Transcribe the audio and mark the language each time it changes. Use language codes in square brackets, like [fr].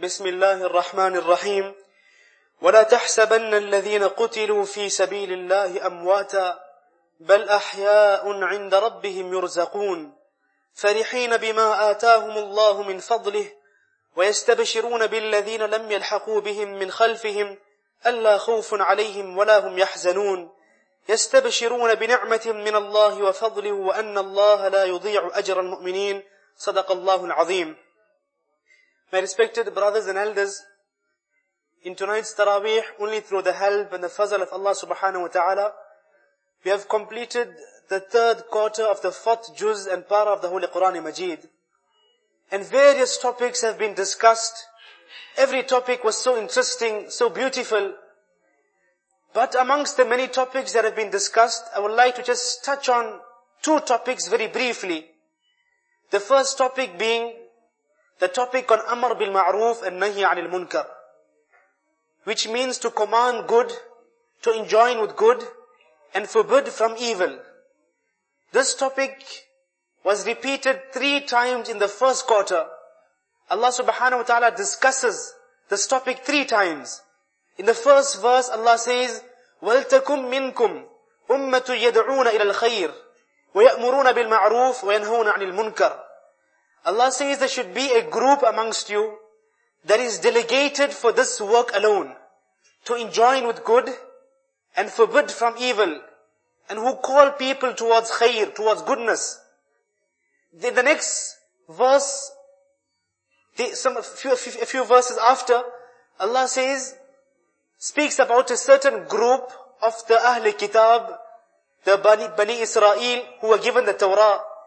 [ar] بسم الله الرحمن الرحيم. ولا تحسبن الذين قتلوا في سبيل الله أمواتا بل أحياء عند ربهم يرزقون، فرحين بما آتاهم الله من فضله، ويستبشرون بالذين لم يلحقوا بهم من خلفهم ألا خوف عليهم ولا هم يحزنون، يستبشرون بنعمة من الله وفضله وأن الله لا يضيع أجر المؤمنين، صدق الله العظيم. [en] My respected brothers and elders, in tonight's Taraweeh, only through the help and the fazl of Allah subhanahu wa ta'ala, we have completed the third quarter of the fourth juz and para of the Holy Quran Majeed. And various topics have been discussed. Every topic was so interesting, so beautiful. But amongst the many topics that have been discussed, I would like to just touch on two topics very briefly. The first topic being the topic on Amr bil Ma'ruf and Nahi anil Munkar, which means to command good, to enjoin with good, and forbid from evil. This topic was repeated three times in the first quarter. Allah subhanahu wa ta'ala discusses this topic three times. In the first verse, Allah says, [ar] وَلْتَكُمْ مِنْكُمْ أُمَّةُ يَدْعُونَ إِلَى الْخَيْرِ وَيَأْمُرُونَ بِالْمَعْرُوفِ وَيَنْهُونَ عَنِ الْمُنْكَرِ. [en] Allah says there should be a group amongst you that is delegated for this work alone, to enjoin with good and forbid from evil, and who call people towards khair, towards goodness. The next verse, a few verses after, Allah says, speaks about a certain group of the Ahlul Kitab, the Bani Israel, who were given the Torah.